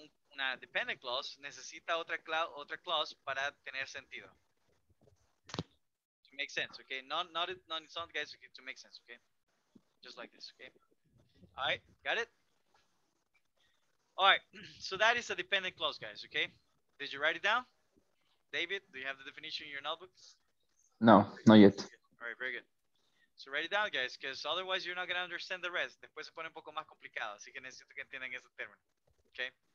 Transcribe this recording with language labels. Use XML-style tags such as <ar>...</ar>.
<es>Una dependent clause necesita otra clause para tener sentido.</es> <en>To make sense, okay? Not its own, guys, okay, to make sense, okay? Just like this, okay? All right, got it? All right, so that is a dependent clause, guys, okay? Did you write it down? David, do you have the definition in your notebooks? No, not yet. All right, very good. So write it down, guys, because otherwise you're not going to understand the rest.</en> <es>Después se pone un poco más complicado, así que necesito que entiendan ese término, okay?</es>